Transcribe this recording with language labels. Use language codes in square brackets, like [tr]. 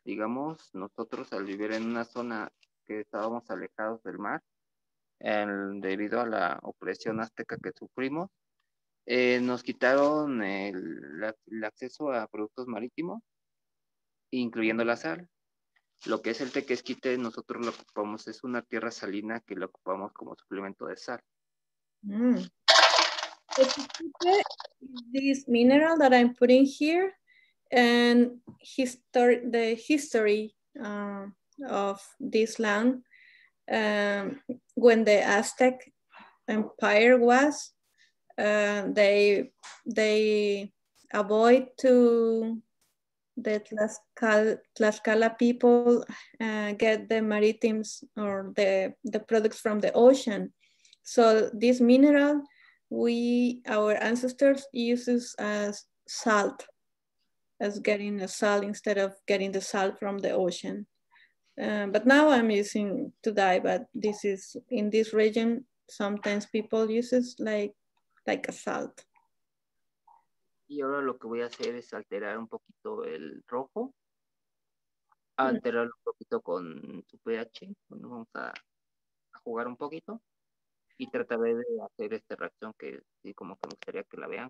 [es] Digamos, nosotros al vivir en una zona que estábamos alejados del mar, debido a la opresión azteca que sufrimos, nos quitaron el acceso a productos marítimos, incluyendo la sal. Lo que es el tequesquite, nosotros lo ocupamos, es una tierra salina que lo ocupamos como suplemento de sal. [en] Tequesquite is this mineral that I'm putting here, and the history of this land, when the Aztec Empire was, they avoid to the Tlaxcala people get the maritimes or the products from the ocean. So this mineral, our ancestors uses as salt, as getting the salt instead of getting the salt from the ocean. But now I'm using to dye, but this is in this region, sometimes people uses like a salt. [es] Y ahora lo que voy a hacer es alterar un poquito el rojo. Alterarlo un poquito con su pH. Bueno, vamos a jugar un poquito. Y tratar de hacer esta reacción que sí, como que me gustaría que la vean.